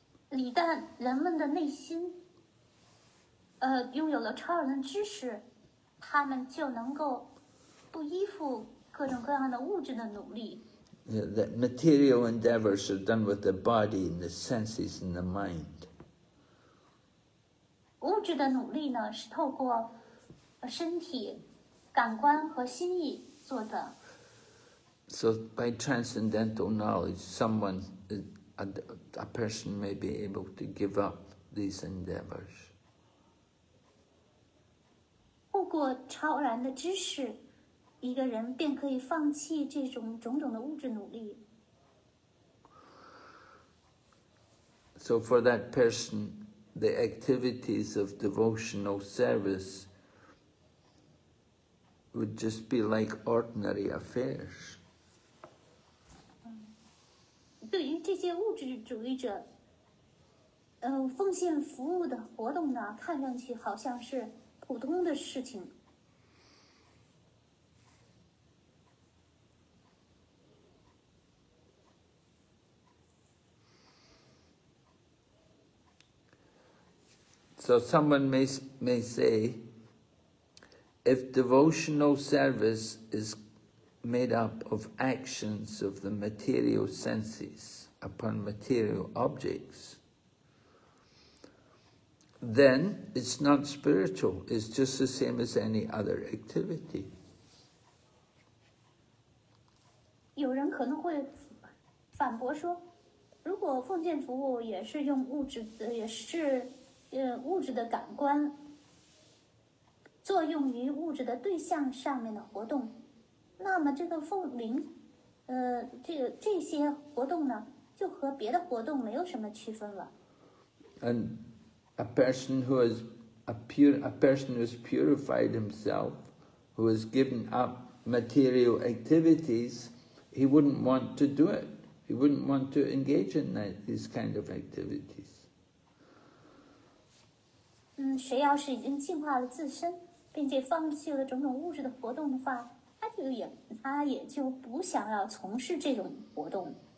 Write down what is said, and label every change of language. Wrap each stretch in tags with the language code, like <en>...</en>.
<zh>一旦人们的内心拥有了超人的知识，他们就能够不依附各种各样的物质的努力。</zh> <en>The material endeavors are done with the body and the senses and the mind.</en> <zh>物质的努力呢是透过身体、感官和心意做的。</zh> <en>So by transcendental knowledge, someone a person may be able to give up these endeavors.</en> <zh>透过超然的知识，一个人便可以放弃这种种种的物质努力。</zh> <en>So for that person, the activities of devotional service would just be like ordinary affairs.</en> <zh>对于这些物质主义者，奉献服务的活动呢，看上去好像是普通的事情。</zh> <en>So someone may say, if devotional service is made up of actions of the material senses upon material objects, then it's not spiritual. It's just the same as any other activity.</en> <zh>有人可能会反驳说，如果奉献服务也是用物质的，也是物质的感官作用于物质的对象上面的活动，那么这个奉灵，这些活动呢，就和别的活动没有什么区分了。</zh> <en>And a person who is a person who has purified himself, who has given up material activities, he wouldn't want to do it. He wouldn't want to engage in these kind of activities.</en> <zh>谁要是已经净化了自身，并且放弃了种种物质的活动的话，他就也不想要从事这种活动。</zh>